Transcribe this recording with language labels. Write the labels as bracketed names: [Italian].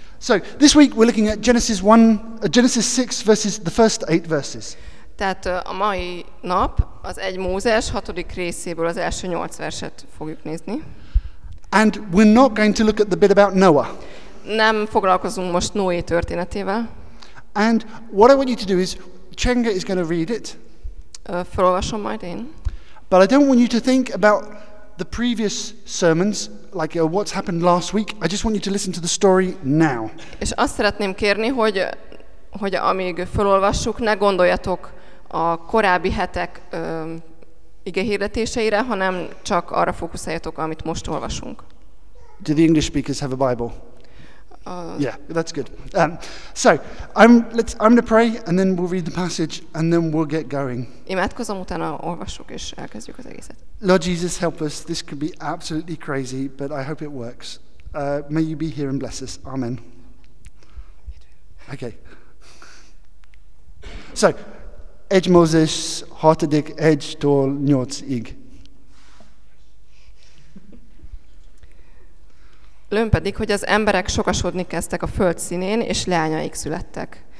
[English] So this week we're looking at Genesis 6 verses, the first 8 verses. [Hungarian] Tehát a mai nap az 1 Mózes 6. részéből az első 8 verset fogjuk nézni. [English] And we're not going to look at the bit about Noah. [Hungarian] Nem foglalkozunk most Noé történetével. [English] And what I want you to do is Chenga is going to read it. [Hungarian] Felolvasom majd én. [English] But I don't want you to think about the previous sermons, like what's happened last week. I just want you to listen to the story now. [Hungarian] És azt szeretném kérni, hogy amíg felolvassuk, ne gondoljatok a korábbi hetek igehirdetéseire, hanem csak arra fókuszáljatok, amit most olvasunk. [English] Do the English speakers have a Bible? Yeah, that's good. I'm gonna pray and then we'll read the passage and then we'll get going. [Hungarian] Imádkozom, utána olvassuk és elkezdjük az egészet. [English] Lord Jesus, help us. This could be absolutely crazy, but I hope it works. May you be here and bless us. Amen. Okay. [Hungarian] So, egy Mózes hatodik egy tól nyolcig. Lőn pedig, hogy az emberek sokasodni kezdtek a föld színén, és leányaik születtek.